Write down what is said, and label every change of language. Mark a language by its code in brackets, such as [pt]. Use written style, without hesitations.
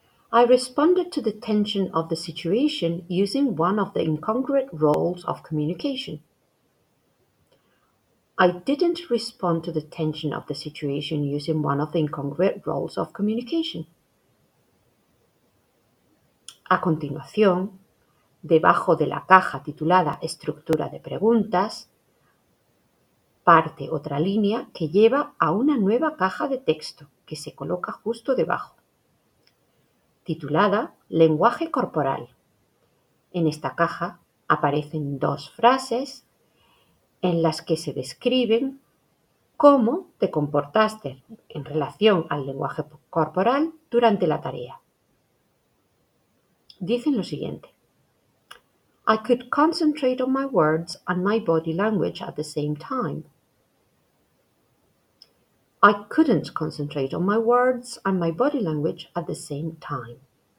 [en] I responded to the tension of the situation using one of the incongruent roles of communication. I didn't respond to the tension of the situation using one of the incongruent roles of communication. [es] A continuación, debajo de la caja titulada Estructura de preguntas, parte otra línea que lleva a una nueva caja de texto que se coloca justo debajo, titulada Lenguaje corporal. En esta caja aparecen dos frases en las que se describen cómo te comportaste en relación al lenguaje corporal durante la tarea. Dicen lo siguiente. [en] I could concentrate on my words and my body language at the same time. I couldn't concentrate on my words and my body language at the same time.